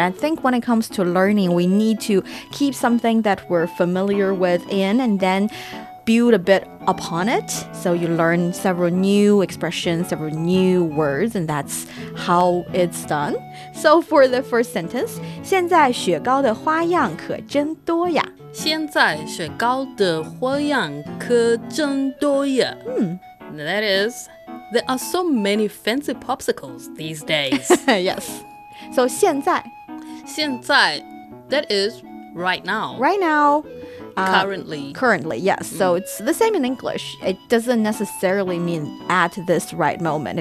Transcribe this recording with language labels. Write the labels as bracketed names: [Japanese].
[English] I think when it comes to learning, we need to keep something that we're familiar with in and then build a bit upon it. So you learn several new expressions, several new words, and that's how it's done. So for the first sentence, [Chinese] 现在雪糕的花样可真多呀。现在雪糕的花样可真多呀。 [English] That is... There are so many fancy popsicles these days. Yes. So, 现在。现在, that is right now. Right now. Currently. Currently, yes. So, it's the same in English. It doesn't necessarily mean at this right moment.